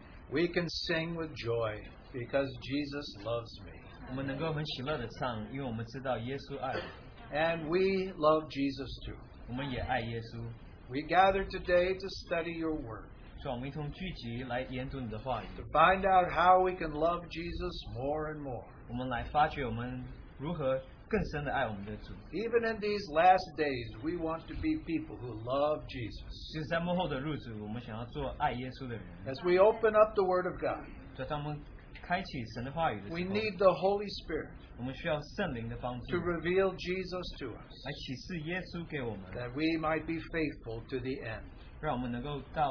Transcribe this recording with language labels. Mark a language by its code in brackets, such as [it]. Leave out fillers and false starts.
[en] We can sing with joy because Jesus loves me. [zh] 我们能够很喜乐地唱, 因为我们知道耶稣爱我。 [en] And we love Jesus too. [zh] 我们也爱耶稣。 [en] We gather today to study your word. [zh] 是我们一同聚集来研读你的话语。 [en] To find out how we can love Jesus more and more. [zh] 我们来发掘我们如何 [en] Even in these last days, we want to be people who love Jesus. [zh] 就是在末后的日子，我们想要做爱耶稣的人。 [en] As we open up the Word of God, we need the Holy Spirit to reveal Jesus to us, [zh] 来启示耶稣给我们, [en] that we might be faithful to the end.